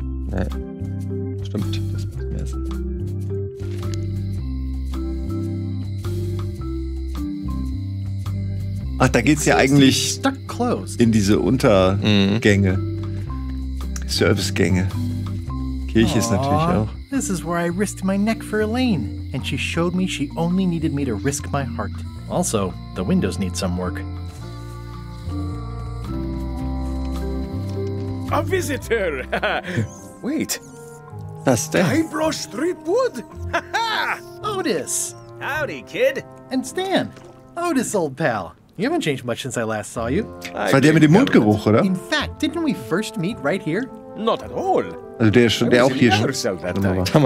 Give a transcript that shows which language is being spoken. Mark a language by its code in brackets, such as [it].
[de] Nee. Stimmt. Das macht mehr Sinn. Ach, da geht's ja eigentlich in diese Untergänge. Mhm. Servicegänge. Kirche ist natürlich auch. [en] This is where I risked my neck for Elaine, and she showed me she only needed me to risk my heart. Also, the windows need some work. A visitor! Wait. [de] Was denn? [en] Guybrush Threepwood? Otis! Howdy, kid! And Stan! Otis, old pal! You haven't changed much since I last saw you. [de] Das war der mit dem Mundgeruch, oder? [en] In fact, didn't we first meet right here? Not at all. [de] Also der ist schon, der auch hier schon.